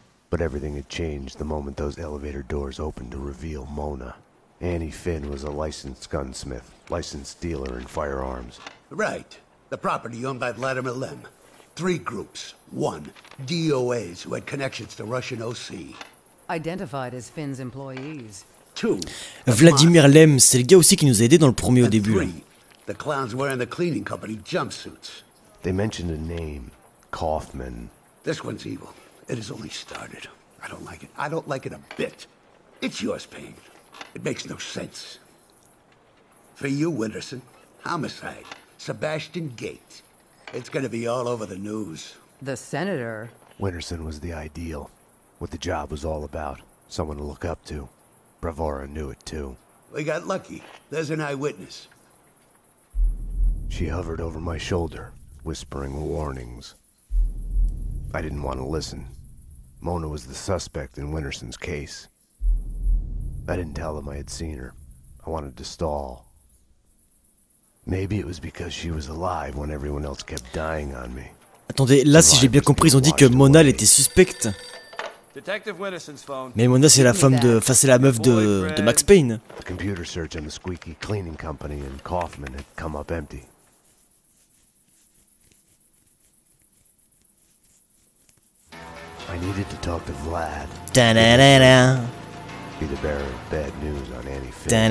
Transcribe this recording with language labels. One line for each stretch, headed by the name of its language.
English: But everything had changed the moment those elevator doors opened to reveal Mona. Annie Finn was a licensed gunsmith, licensed dealer in firearms. Right. The property owned by Vladimir Lem. Three groups. One, DOAs who had connections to Russian OC. Identified as Finn's employees. Two,
French: Vladimir Lem, c'est le gars aussi qui nous a aidés dans le premier au début.
English: Three, the clowns wearing the cleaning company jumpsuits. They mentioned a name, Kaufman. This one's evil. It has only started. I don't like it. I don't like it a bit. It's yours, Payne. It makes no sense. For you, Winterson, homicide, Sebastian Gates. It's gonna be all over the news. The senator? Winterson was the ideal. What the job was all about. Someone to look up to. Bravura knew it too. We got lucky. There's an eyewitness. She hovered over my shoulder, whispering warnings. I didn't want to listen. Mona was the suspect in Winterson's case. I didn't tell them I had seen her. I wanted to stall. Maybe it was because she was alive when everyone else kept dying on me.
French: Attendez, là si j'ai bien compris, ils ont dit que Mona était suspecte.
English: Detective Winterson's phone.
French: Mais Mona c'est la femme de, enfin c'est la meuf de Max Payne.
English: The computer search on the squeaky cleaning company and Kaufman had come up empty. I needed to talk to Vlad. Da-da-da-da. Be the bearer of bad news on Annie Finn.